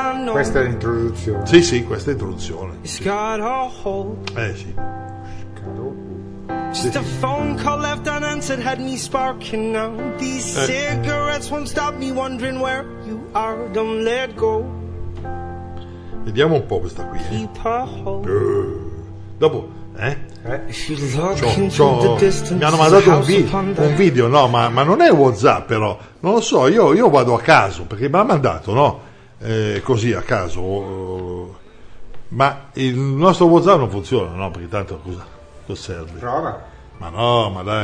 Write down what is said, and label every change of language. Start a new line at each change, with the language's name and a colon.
Italian: questa è l'introduzione sì questa è l'introduzione sì.
English: Just a phone call left unanswered had me sparking now. These cigarettes won't stop me wondering where you are. Don't let go.
Italian: Vediamo un po' questa qui.
English: Keep a hold.
Italian: Dopo,
English: If you look into the distance,
Italian: mi hanno mandato un video, no, ma non è WhatsApp, però. Non lo so, io vado a caso, perché me l'ha mandato, no? Così a caso. Ma il nostro WhatsApp non funziona, no? Perché tanto cosa. Lo serve. Prova. Ma no, ma dai.